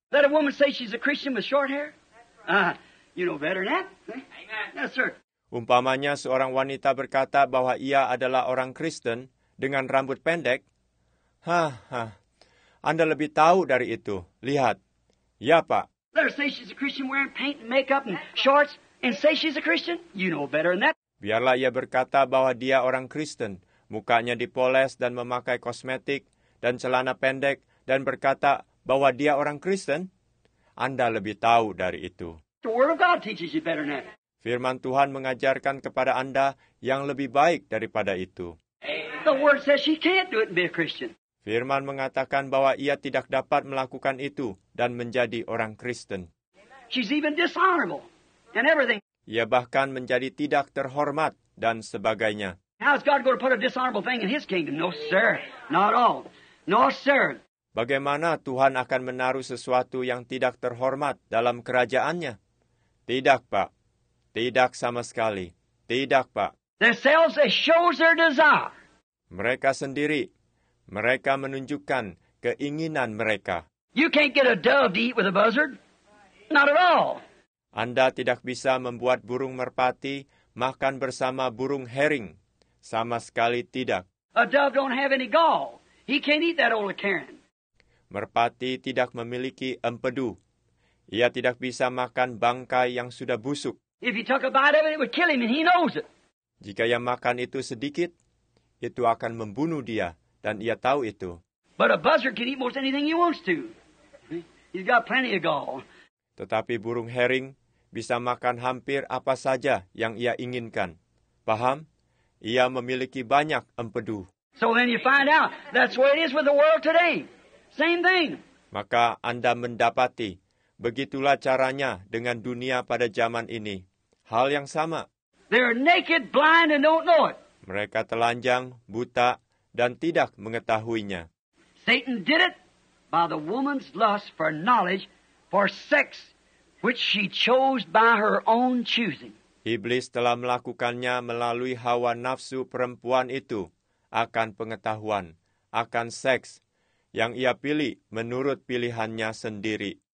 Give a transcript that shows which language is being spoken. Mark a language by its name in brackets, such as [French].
[English] Let a woman say she's a Christian with short hair? You know better than that. Amen. Yes, sir. [Indonesian] Umpamanya seorang wanita berkata bahwa ia adalah orang Kristen dengan rambut pendek. Anda lebih tahu dari itu. Lihat. Ya, Pak. [English] Let her say she's a Christian wearing paint and makeup and shorts and say she's a Christian? You know better than that. [Indonesian] Biarlah ia berkata bahwa dia orang Kristen, mukanya dipoles dan memakai kosmetik dan celana pendek dan berkata bahwa dia orang Kristen. Anda lebih tahu dari itu. [English] The Word of God teaches you better than that. [Indonesian] Firman Tuhan mengajarkan kepada Anda yang lebih baik daripada itu. [English] The Word says she can't do it and be a Christian. [Indonesian] Firman mengatakan bahwa ia tidak dapat melakukan itu dan menjadi orang Kristen. [English] She's even dishonorable and everything. [Indonesian] Ia bahkan menjadi tidak terhormat dan sebagainya. [English] How is God going to put a dishonorable thing in His kingdom? No, sir. Not all. No, sir. [Indonesian] Bagaimana Tuhan akan menaruh sesuatu yang tidak terhormat dalam kerajaannya? Tidak, Pak. Tidak sama sekali. Tidak, Pak. [English] Themselves shows their desire. [Indonesian] Mereka sendiri. Mereka menunjukkan keinginan mereka. [English] You can't get a dove to eat with a buzzard. Not at all. [Indonesian] Anda tidak bisa membuat burung merpati makan bersama burung herring. Sama sekali tidak. [English] A dove don't have any gall. He can't eat that old Karen. [Indonesian] Merpati tidak memiliki empedu. Ia tidak bisa makan bangkai yang sudah busuk. [English] If he took a bite of it, it would kill him, and he knows it. [Indonesian] Jika ia makan itu sedikit, itu akan membunuh dia, dan ia tahu itu. [English] But a buzzard can eat most anything he wants to. He's got plenty of gall. [Indonesian] Tetapi burung herring bisa makan hampir apa saja yang ia inginkan. Paham? Ia memiliki banyak empedu. [English] So then you find out that's the way it is with the world today. Same thing. [Indonesian] Maka Anda mendapati begitulah caranya dengan dunia pada zaman ini. Hal yang sama. [English] They're naked, blind, and don't know it. [Indonesian] Mereka telanjang, buta, dan tidak mengetahuinya. [English] Satan did it by the woman's lust for knowledge, for sex, which she chose by her own choosing. [Indonesian] Iblis telah melakukannya melalui hawa nafsu perempuan itu, akan pengetahuan, akan seks, yang ia pilih menurut pilihannya sendiri.